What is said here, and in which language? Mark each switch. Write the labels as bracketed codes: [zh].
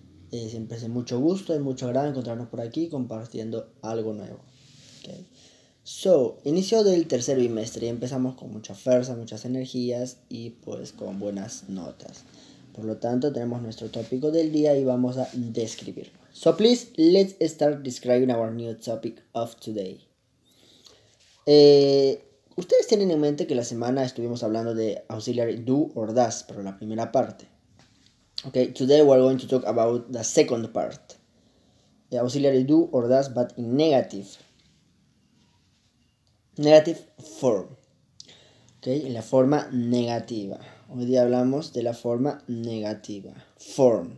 [es] Siempre es mucho gusto y mucho agrado encontrarnos por aquí compartiendo algo nuevo, okay. So, inicio del tercer bimestre y empezamos con mucha fuerza, muchas energías y pues con buenas notas. Por lo tanto, tenemos nuestro tópico del día y vamos a describirlo. [en] So please, let's start describing our new topic of today. [es] Ustedes tienen en mente que la semana estuvimos hablando de [en] auxiliary do or does, [es] pero la primera parte. [en] Okay, today we're going to talk about the second part. The auxiliary do or does, but in negative. Negative form. [es] Okay, en la forma negativa. Hoy día hablamos de la forma negativa. Form.